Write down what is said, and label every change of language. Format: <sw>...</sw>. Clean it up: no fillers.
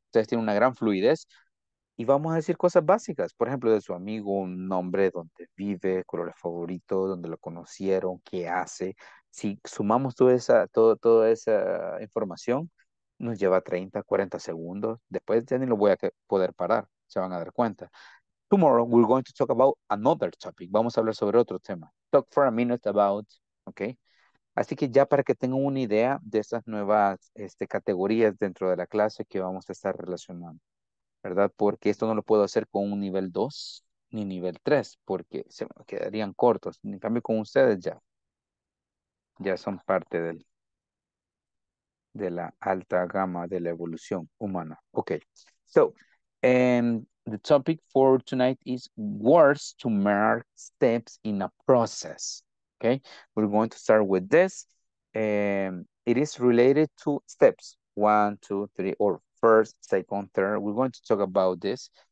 <es>Ustedes tienen una gran fluidez. Y vamos a decir cosas básicas, por ejemplo, de su amigo, un nombre, dónde vive, colores favoritos, dónde lo conocieron, qué hace. Si sumamos toda esa información, nos lleva 30, 40 segundos. Después ya ni lo voy a poder parar, se van a dar cuenta.</es> <en>Tomorrow we're going to talk about another topic.</en> <es>Vamos a hablar sobre otro tema.</es> <en>Talk for a minute about,</en> <es>¿ok? Así que ya para que tengan una idea de esas nuevas categorías dentro de la clase que vamos a estar relacionando. ¿Verdad? Porque esto no lo puedo hacer con un nivel 2 ni nivel 3, porque se me quedarían cortos. En cambio, con ustedes ya son parte de la alta gama de la evolución humana. Ok. So,</es> <en>And the topic for tonight is words to mark steps in a process. Okay, we're going to start with this. It is related to steps. 1, 2, 3, or first, second, third. We're going to talk about this.</en>